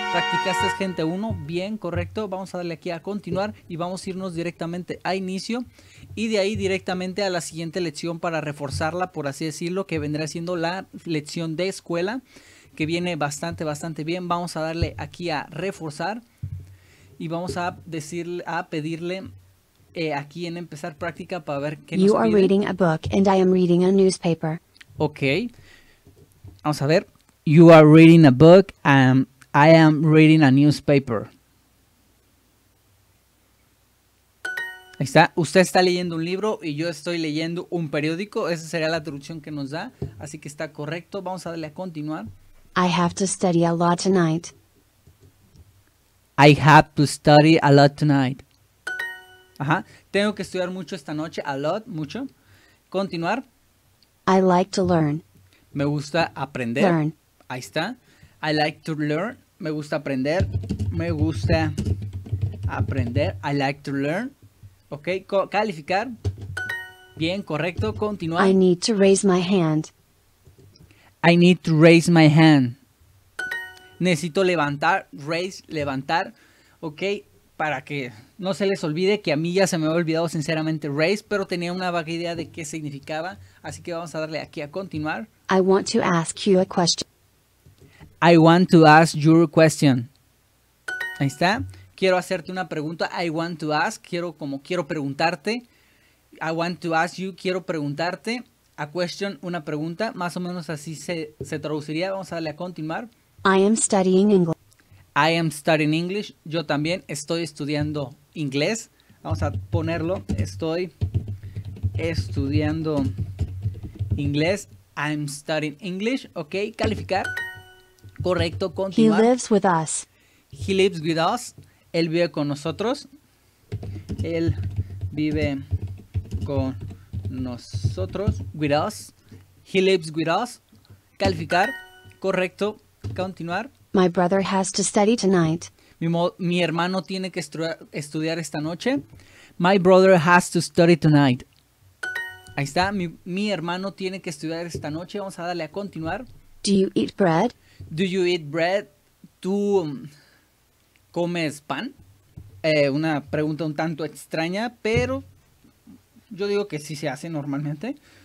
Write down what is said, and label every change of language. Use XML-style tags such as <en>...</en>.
<es>Practicaste gente 1, bien, correcto. Vamos a darle aquí a continuar y vamos a irnos directamente a inicio y de ahí directamente a la siguiente lección para reforzarla, por así decirlo, que vendrá siendo la lección de escuela, que viene bastante, bastante bien. Vamos a darle aquí a reforzar y vamos a decirle, a pedirle aquí en empezar práctica para ver qué nos pide.</es> <en>You are reading a book and I am reading a newspaper.</en> <es>Ok, vamos a ver.</es> <en>You are reading a book and I am reading a newspaper.</en> <es>Ahí está. Usted está leyendo un libro y yo estoy leyendo un periódico. Esa sería la traducción que nos da. Así que está correcto. Vamos a darle a continuar.</es> <en>I have to study a lot tonight. I have to study a lot tonight.</en> <es>Ajá. Tengo que estudiar mucho esta noche.</es> <en>A lot,</en> <es>mucho. Continuar.</es> <en>I like to learn.</en> <es>Me gusta aprender.</es> <en>Learn.</en> <es>Ahí está.</es> <en>I like to learn.</en> <es>Me gusta aprender. Me gusta aprender.</es> <en>I like to learn.</en> <es>Ok. Calificar. Bien, correcto. Continuar.</es> <en>I need to raise my hand. I need to raise my hand.</en> <es>Necesito levantar. Raise, levantar. Ok. Para que no se les olvide que a mí ya se me había olvidado sinceramente raise, pero tenía una vaga idea de qué significaba. Así que vamos a darle aquí a continuar.</es> <en>I want to ask you a question. I want to ask your question.</en> <es>Ahí está. Quiero hacerte una pregunta.</es> <en>I want to ask.</en> <es>Quiero preguntarte.</es> <en>I want to ask you.</en> <es>Quiero preguntarte.</es> <en>A question,</en> <es>una pregunta. Más o menos así se traduciría. Vamos a darle a continuar.</es> <en>I am studying English. I am studying English.</en> <es>Yo también estoy estudiando inglés. Vamos a ponerlo. Estoy estudiando inglés.</es> <en>I am studying English. Ok.</en> <es>Calificar. Correcto, continuar.</es> <en>He lives with us. He lives with us.</en> <es>Él vive con nosotros.</es> <en>Él vive con nosotros. With us. He lives with us.</en> <es>Calificar. Correcto, continuar.</es> <en>My brother has to study tonight.</en> <es>Mi hermano tiene que estudiar esta noche.</es> <en>My brother has to study tonight.</en> <es>Ahí está. Mi hermano tiene que estudiar esta noche. Vamos a darle a continuar.</es> <en>Do you eat bread? Do you eat bread?</en> <es>¿Tú comes pan? Una pregunta un tanto extraña, pero yo digo que sí se hace normalmente.</es>